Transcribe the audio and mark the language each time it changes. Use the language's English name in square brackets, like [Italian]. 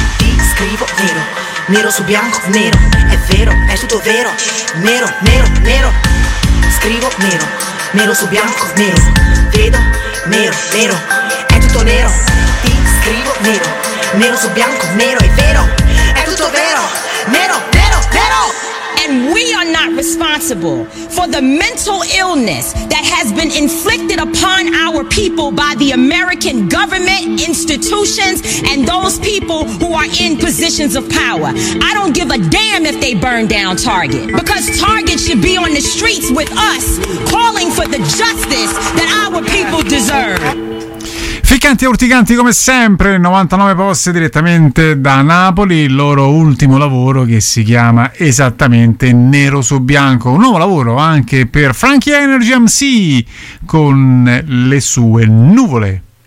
[Italian] Ti scrivo nero, nero su bianco, nero, è vero, è tutto vero, nero, nero, nero. Scrivo nero, nero su bianco, nero, vedo, nero, nero, è tutto nero. Ti scrivo nero, nero su bianco, nero, è vero, è tutto vero, nero, nero, nero. [English] And we are not responsible for the mental illness that has been inflicted upon our people by the American government, institutions, and those people who are in positions of power. I don't give a damn if they burn down Target, because Target should be on the streets with us, calling for the justice that our people deserve. [Italian] Ficcanti e urticanti come sempre, 99 posse direttamente da Napoli, il loro ultimo lavoro che si chiama esattamente Nero su Bianco, un nuovo lavoro anche per Frankie Energy MC con le sue nuvole.